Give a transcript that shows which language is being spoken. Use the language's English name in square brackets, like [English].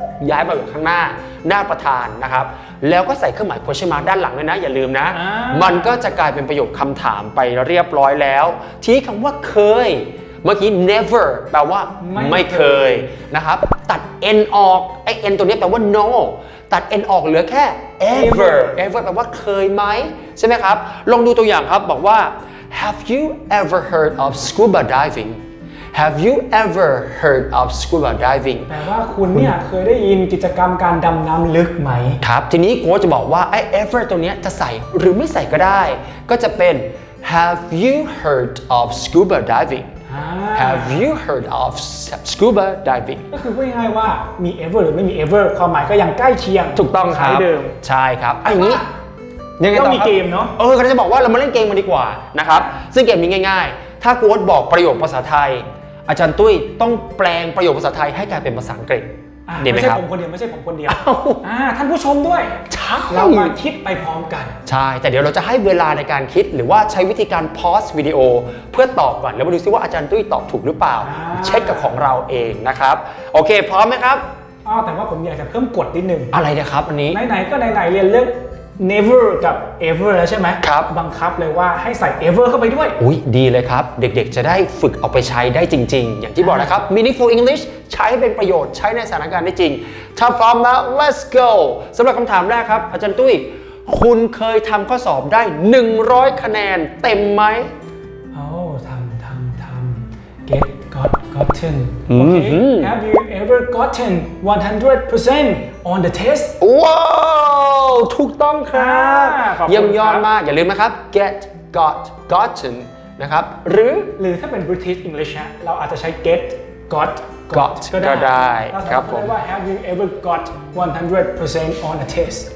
[Thai] ย้ายมาอยู่ข้างหน้าประธานนะครับแล้วก็ใส่เครื่องหมาย question mark ด้านหลังเลยนะอย่าลืมนะมันก็จะกลายเป็นประโยคคำถามไปเรียบร้อยแล้วที่คำว่าเคยเมื่อกี้ never แปลว่าไม่เคยนะครับตัด n ออกไอ้ n ตัวนี้แปลว่า no ตัด n ออกเหลือแค่ ever แปลว่าเคยไหมใช่ไหมครับลองดูตัวอย่างครับบอกว่า [English] have you ever heard of scuba divingHave you ever heard of scuba diving? [Thai] แปลว่าคุณเนี่ยเคยได้ยินกิจกรรมการดำน้ำลึกไหม ครับทีนี้โค้ชจะบอกว่าไอ้ ever ตรงนี้จะใส่หรือไม่ใส่ก็ได้ก็จะเป็น [English] Have you heard of scuba diving? Have you heard of scuba diving? [Thai] ก็คือพูดง่ายว่ามี ever หรือไม่มี ever ความหมายก็ยังใกล้เคียง ถูกต้องครับ ใช่เดิม ใช่ครับไอ้นี้ยัง ไงต่อมีเกมเน า ะ ก็จะบอกว่าเรามาเล่นเกมมันดีกว่านะครับซึ่งเกมมีง่ายๆถ้าโค้ชบอกประโยคภาษาไทยอาจารย์ตุ้ยต้องแปลงประโยคภาษาไทยให้กลายเป็นภาษาอังกฤษ ดีมั้ยครับไม่ใช่ผมคนเดียวไม่ใช่ผมคนเดียวท่านผู้ชมด้วย ชัก เรามาคิดไปพร้อมกัน ใช่แต่เดี๋ยวเราจะให้เวลาในการคิดหรือว่าใช้วิธีการพอสวิดีโอเพื่อตอบก่อนแล้วมาดูซิว่าอาจารย์ตุ้ยตอบถูกหรือเปล่ า เช็คกับของเราเองนะครับโอเคพร้อมมั้ยครับ แต่ว่าผมอยากจะเพิ่มกฎนิดนึง อะไรนะครับอันนี้ไหนๆก็ไหนๆเรียนเรื่องnever กับ ever แล้วใช่มั้ย ครับ บังคับเลยว่าให้ใส่ ever เข้าไปด้วย อุ๊ยดีเลยครับเด็กๆจะได้ฝึกเอาไปใช้ได้จริงๆอย่างที่บอกนะครับ meaningful english ใช้ให้เป็นประโยชน์ใช้ในสถานการณ์ได้จริงถ้าพร้อมแล้ว [English] let's go [Thai] สำหรับคำถามแรกครับอาจารย์ตุ้ยคุณเคยทำข้อสอบได้100คะแนนเต็มไหม โอ้ทำ get gotten [English] okay have you ever gotten 100% on the test [Thai] wowถูกต้องครับเยี่ยมยอดมากอย่าลืมนะครับ get got gotten นะครับหรือ ถ้าเป็น British English เราอาจจะใช้ get got ก็ได้ ครับผมว่า [English] have you ever got 100% on a test